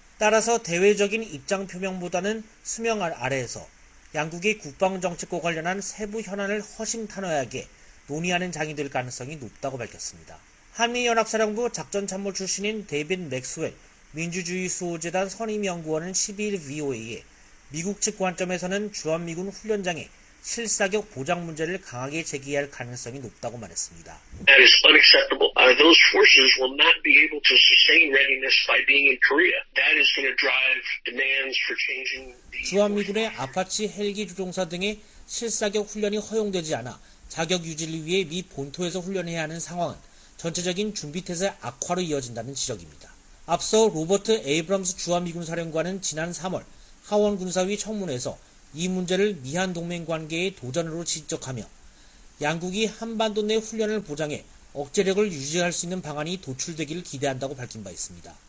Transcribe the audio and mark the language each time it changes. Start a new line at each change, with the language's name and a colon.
Korean: 따라서 대외적인 입장 표명보다는 수명 아래에서 양국의 국방정책과 관련한 세부 현안을 허심탄회하게 논의하는 장이 될 가능성이 높다고 밝혔습니다. 한미연합사령부 작전참모 출신인 데빈 맥스웰 민주주의 수호재단 선임연구원은 12일 VOA에 미국 측 관점에서는 주한미군 훈련장의 실사격 보장 문제를 강하게 제기할 가능성이 높다고 말했습니다.
English: That is unacceptable. Those forces will not be able to sustain readiness by being in Korea. That is going to drive demands for changing.
Korean: 주한미군의 아파치 헬기 조종사 등의 실사격 훈련이 허용되지 않아 자격 유지를 위해 미 본토에서 훈련해야 하는 상황은 전체적인 준비태세 악화로 이어진다는 지적입니다. 앞서 로버트 에이브럼스 주한미군 사령관은 지난 3월 하원군사위 청문회에서 이 문제를 미한동맹관계의 도전으로 지적하며 양국이 한반도 내 훈련을 보장해 억제력을 유지할 수 있는 방안이 도출되길 기대한다고 밝힌 바 있습니다.